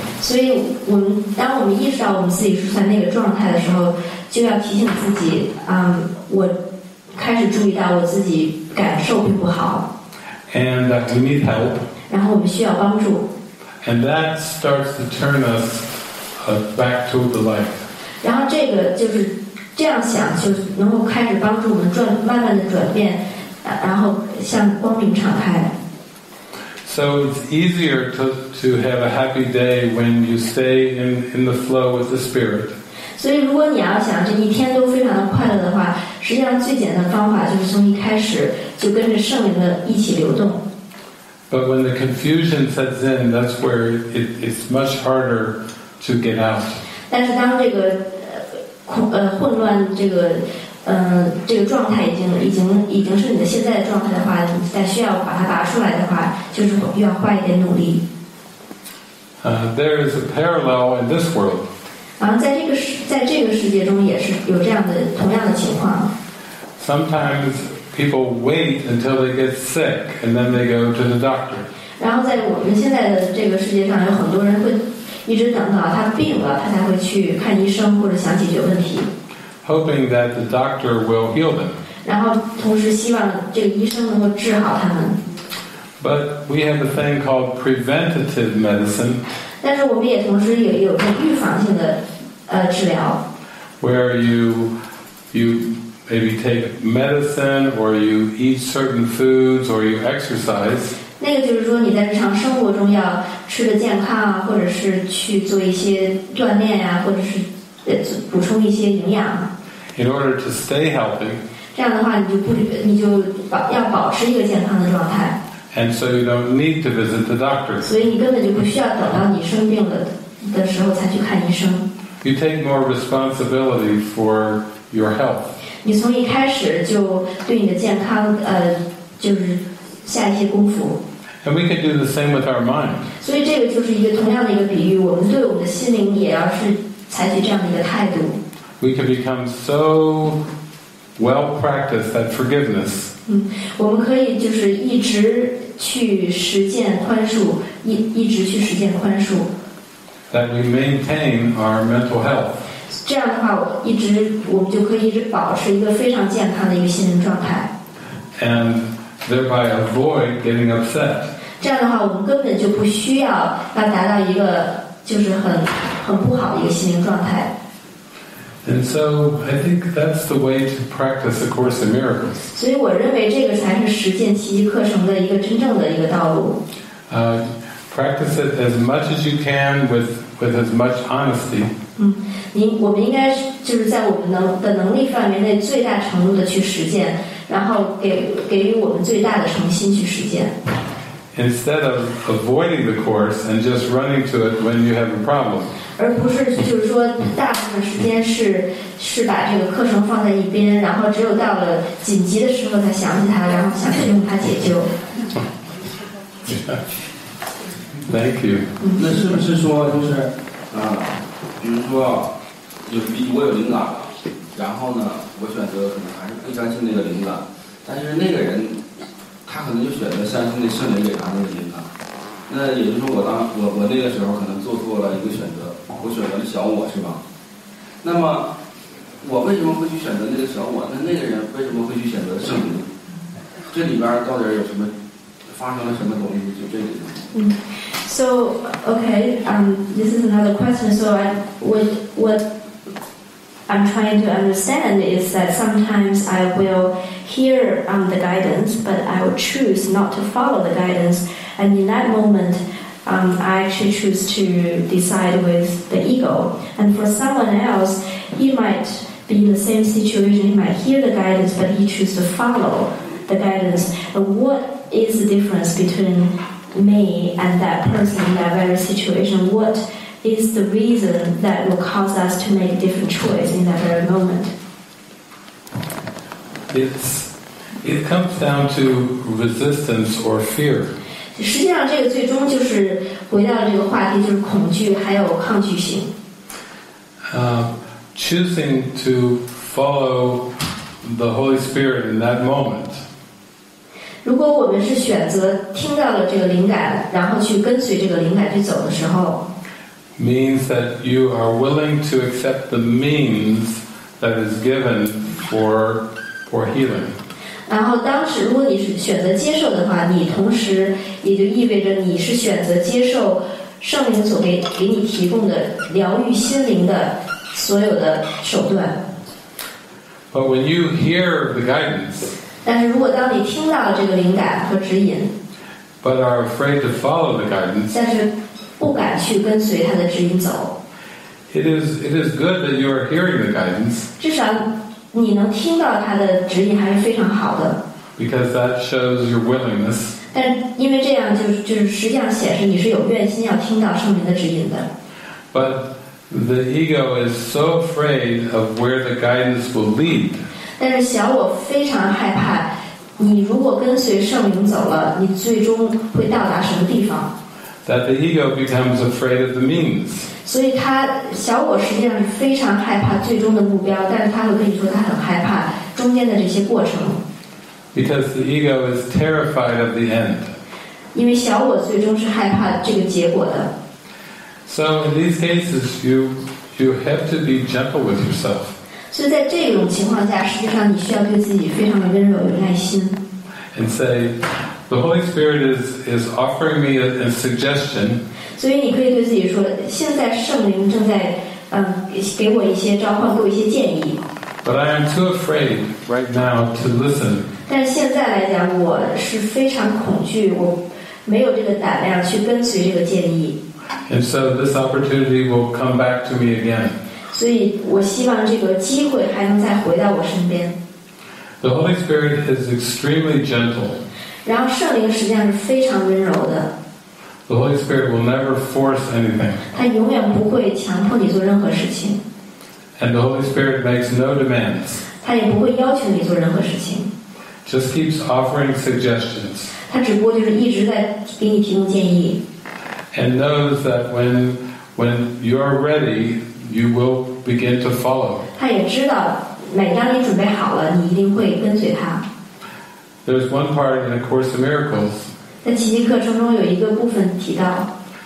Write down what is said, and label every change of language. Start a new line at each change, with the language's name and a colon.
Chinese: 所以我们当我们意识到我们自己处在那个状态的时候就要提醒自己我开始注意到我自己感受并不好
English: and we need help
Chinese: 然后我们需要帮助
English: and that starts to turn us back to the light
Chinese: 然后这个就是这样想就能够开始帮助我们慢慢的转变然后向光明敞开
English: So it's easier to have a happy day when you stay in the flow with the spirit.
Chinese: 所以如果你要想这一天都非常的快乐的话，实际上最简单的方法就是从一开始就跟着圣灵的一起流动。
English: But when the confusion sets in, that's where it's much harder to get out.
Chinese: 但是当这个混乱这个状态已经是你的现在的状态的话，你再需要把它拔出来的话，就是需要花一点努力。
English: There is a parallel in this world.
Chinese: 然后在这个世界中也是有这样的同样的情况。
English: Sometimes people wait until they get sick and then they go to the doctor.
Chinese: 然后在我们现在的这个世界上，有很多人会一直等到他病了，他才会去看医生或者想解决问题。
English: Hoping that the doctor will heal them.
Chinese: 然后同时希望这个医生能够治好他们。
English: But we have a thing called preventative medicine.
Chinese: 但是我们也同时也有个预防性的治疗。
English: Where you maybe take medicine or you eat certain foods or you exercise.
Chinese: 那个就是说你在日常生活中要吃的健康啊，或者是去做一些锻炼啊，或者是补充一些营养。
English: In order to stay healthy,
Chinese: 这样的话你就要保持一个健康的状态。
English: And so you don't need to visit the doctor.
Chinese: 所以你根本就不需要等到你生病了的时候才去看医生。
English: You take more responsibility for your health.
Chinese: 你从一开始就对你的健康就是下一些功夫。
English: And we can do the same with our mind.
Chinese: 所以这个就是一个同样的一个比喻，我们对我们的心灵也要是采取这样的一个态度。
English: We can become so well practiced that forgiveness.
Chinese: 我们可以就是一直去实践宽恕，一直去实践宽恕。
English: That we maintain our mental health.
Chinese: 这样的话，我们就可以一直保持一个非常健康的一个心灵状态。
English: And thereby avoid getting upset.
Chinese: 这样的话，我们根本就不需要达到一个就是很不好的一个心灵状态。
English: And so I think that's the way to practice A Course in Miracles.
Chinese: 所以我认为这个才是实践奇迹课程的一个真正的一个道路。
English: Practice it as much as you can with as much honesty.
Chinese: 我们应该就是在我们的能力范围内最大程度的去实践，然后给予我们最大的诚心去实践。
English: Instead of avoiding the course and just running to it when you have a problem.
Chinese: 而不是就是说大部分时间是把这个课程放在一边，然后只有到了紧急的时候才想起它，然后想去用它解救。
English: Yeah. Thank you.
Chinese: 那是不是说就是比如说我有灵感，然后呢我选择可能还是更相信那个灵感，但是那个人他可能就选择相信那圣灵给他的灵感，那也就是说我那个时候可能做错了一个选择，我选择了小我，是吧？那么我为什么会去选择那个小我？那个人为什么会去选择圣灵？这里边到底有什么发生了什么东西？就这里面。
English: So okay, this is another question. So what I'm trying to understand is that sometimes I will hear the guidance, but I will choose not to follow the guidance. And in that moment, I actually choose to decide with the ego. And for someone else, he might be in the same situation. He might hear the guidance, but he chooses to follow the guidance. And what is the difference between me and that person in that very situation? What is the reason that will cause us to make a different choice in that very moment? It comes down to resistance or fear.
Chinese: 实际上这个最终就是回到这个话题，就是恐惧还有抗拒性。
English: Choosing to follow the Holy Spirit in that moment.
Chinese: 如果我们是选择听到了这个灵感，然后去跟随这个灵感去走的时候，
English: means that you are willing to accept the means that is given for healing.
Chinese: 然后当时如果你是选择接受的话，你同时也就意味着你是选择接受圣灵所给你提供的疗愈心灵的所有的手段。
English: But when you hear the guidance,
Chinese: 但是如果当你听到这个灵感和指引，
English: but are afraid to follow the guidance,
Chinese: 但是不敢去跟随他的指引走。
English: It is good that you are hearing the guidance.
Chinese: 至少你能听到他的指引还是非常好的。
English: Because that shows your willingness.
Chinese: 但因为这样就是实际上显示你是有愿心要听到圣灵的指引的。
English: But the ego is so afraid of where the guidance will lead.
Chinese: 但是小我非常害怕你如果跟随圣灵走了你最终会到达什么地方。
English: That the ego becomes afraid of the means.
Chinese: 所以他小我实际上是非常害怕最终的目标，但是他会跟你说他很害怕中间的这些过程。
English: Because the ego is terrified of the end.
Chinese: 因为小我最终是害怕这个结果的。
English: So in these cases, you have to be gentle with yourself.
Chinese: 所以在这种情况下，实际上你需要对自己非常的温柔，有耐心。
English: And say. The Holy Spirit is offering me a suggestion.
Chinese: 所以你可以对自己说，现在圣灵正在给我一些召唤，给我一些建议。
English: But I am too afraid right now to listen.
Chinese: 但现在来讲，我是非常恐惧，我没有这个胆量去跟随这个建议。
English: And so this opportunity will come back to me again.
Chinese: 所以我希望这个机会还能再回到我身边。
English: The Holy Spirit is extremely gentle.
Chinese: 然后圣灵实际上是非常温柔的。
English: The Holy Spirit will never force anything.
Chinese: 他永远不会强迫你做任何事情。
English: And the Holy Spirit makes no demands.
Chinese: 他也不会要求你做任何事情。
English: Just keeps offering suggestions.
Chinese: 他只不过就是一直在给你提供建议。
English: And knows that when you are ready, you will begin to follow.
Chinese: 他也知道每当你准备好了，你一定会跟随他。
English: There's one part in A Course in Miracles
Chinese: 在奇迹课程中有一个部分提到